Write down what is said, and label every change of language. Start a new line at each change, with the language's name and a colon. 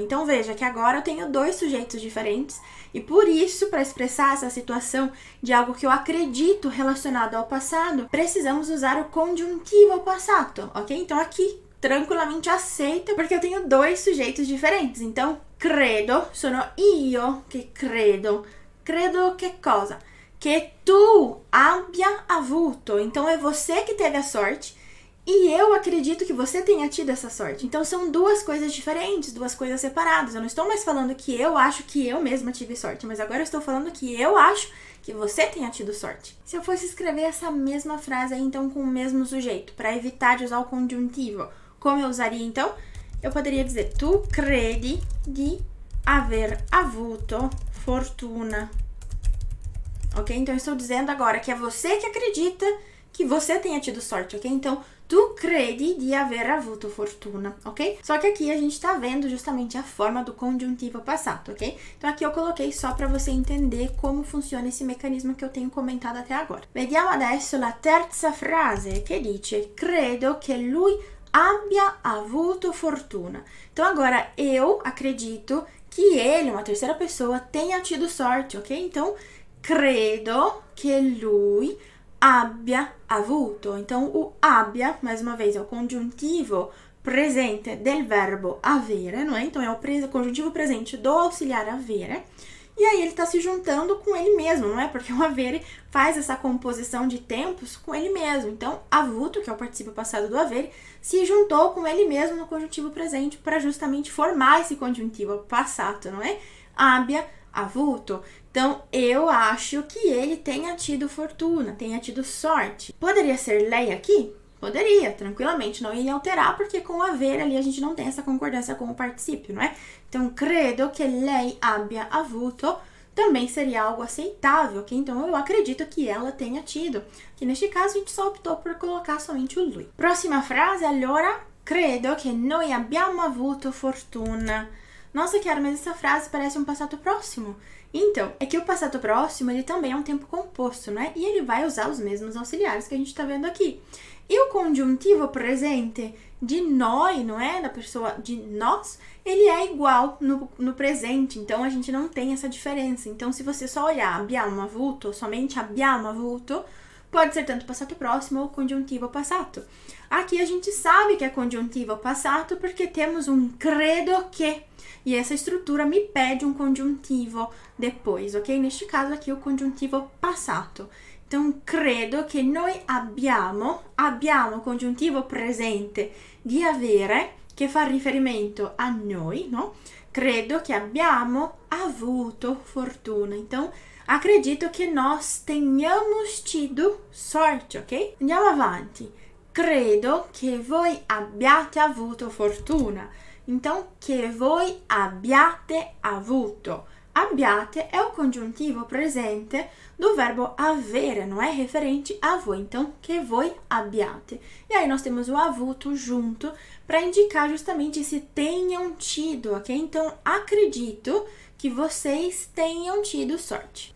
Portuguese: Então veja que agora eu tenho dois sujeitos diferentes. E por isso, para expressar essa situação de algo que eu acredito relacionado ao passado, precisamos usar o congiuntivo ao passato, ok? Então aqui, tranquilamente aceita, porque eu tenho dois sujeitos diferentes.
Italian: Então, credo, sono io che credo. Credo che cosa? Che tu abbia avuto.
Portuguese: Então, é você que teve a sorte e eu acredito que você tenha tido essa sorte. Então, são duas coisas diferentes, duas coisas separadas. Eu não estou mais falando que eu acho que eu mesma tive sorte, mas agora eu estou falando que eu acho que você tenha tido sorte. Se eu fosse escrever essa mesma frase aí, então, com o mesmo sujeito, para evitar de usar o conjuntivo, como eu usaria, então? Eu poderia dizer,
Italian: tu credi di aver avuto fortuna.
Portuguese: Ok? Então, eu estou dizendo agora que é você que acredita que você tenha tido sorte, ok?
Italian: Então, tu credi di aver avuto fortuna, ok?
Portuguese: Só que aqui a gente está vendo justamente a forma do conjuntivo passado, ok? Então aqui eu coloquei só para você entender como funciona esse mecanismo que eu tenho comentado até agora.
Italian: Vediamo adesso la terza frase che dice credo che lui abbia avuto fortuna.
Portuguese: Então agora eu acredito que ele, uma terceira pessoa, tenha tido sorte, ok?
Italian: Então credo che lui abbia avuto.
Portuguese: Então, o abbia, mais uma vez, é o conjuntivo presente del verbo avere, não é? Então, é o conjuntivo presente do auxiliar avere. E aí, ele está se juntando com ele mesmo, não é? Porque o avere faz essa composição de tempos com ele mesmo. Então, avuto, que é o participio passado do avere, se juntou com ele mesmo no conjuntivo presente para justamente formar esse conjuntivo passato, não é?
Italian: Abbia avuto.
Portuguese: Então, eu acho que ele tenha tido fortuna, tenha tido sorte. Poderia ser lei aqui? Poderia, tranquilamente, não ia alterar, porque com aver ali a gente não tem essa concordância com o participio, não é? Então,
Italian: credo que lei abbia avuto
Portuguese: também seria algo aceitável, ok? Então, eu acredito que ela tenha tido. Que neste caso, a gente só optou por colocar somente o lui.
Italian: Próxima frase, allora, credo que noi abbiamo avuto fortuna.
Portuguese: Nossa, Chiara, mas essa frase parece um passato próximo. Então, é que o passado próximo, ele também é um tempo composto, né? E ele vai usar os mesmos auxiliares que a gente tá vendo aqui. E o conjuntivo presente de noi, não é? Da pessoa de nós, ele é igual no presente. Então, a gente não tem essa diferença. Então, se você só olhar
Italian: abbiamo avuto,
Portuguese: somente abbiamo avuto, pode ser tanto passato próximo ou conjuntivo passato. Aqui a gente sabe que é conjuntivo passato porque temos um credo que. E essa estrutura me pede um conjuntivo depois, ok? Neste caso aqui, o conjuntivo passato.
Italian: Então, credo que noi abbiamo conjuntivo presente di avere, che fa riferimento a noi, no? Credo che abbiamo avuto fortuna.
Portuguese: Então, acredito che nós tenhamos tido sorte, ok?
Italian: Andiamo avanti. Credo che voi abbiate avuto fortuna. Então, che voi abbiate avuto.
Portuguese: Abbiate è o congiuntivo presente do verbo avere, não é referente a voi. Então, que voi abbiate. E aí nós temos o avuto junto para indicar justamente se tenham tido, ok? Então, acredito que vocês tenham tido sorte.